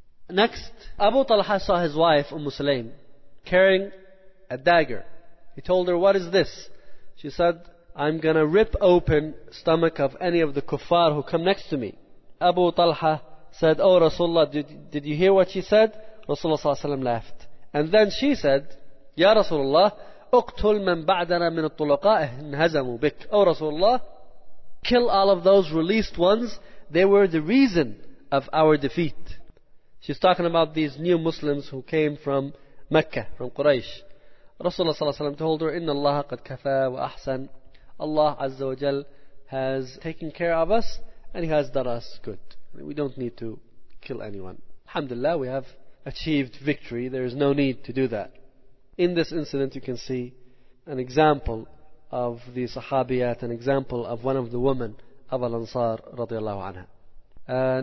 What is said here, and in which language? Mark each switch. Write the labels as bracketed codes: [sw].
[en] Next, Abu Talha saw his wife Umm Sulaym carrying a dagger. He told her, what is this? She said, I'm gonna rip open stomach of any of the kuffar who come next to me. Abu Talha said, oh Rasulullah, did you hear what she said? Rasulullah ﷺ laughed. And then she said, [ar] Ya Rasulullah, اقتل من بعدنا من الطلقاء انهزموا بك. [en] Oh Rasulullah, kill all of those released ones. They were the reason of our defeat. She's talking about these new Muslims who came from Mecca, from Quraysh. Rasulullah ﷺ told her, [ar] إِنَّ اللَّهَ قَدْ كَفَى وَأَحْسَنَ. [en] Allah Azza wa Jal has taken care of us and He has done us good. We don't need to kill anyone. Alhamdulillah, we have achieved victory. There is no need to do that. In this incident, you can see an example of the Sahabiyat, an example of one of the women of Al-Ansar radiallahu anha.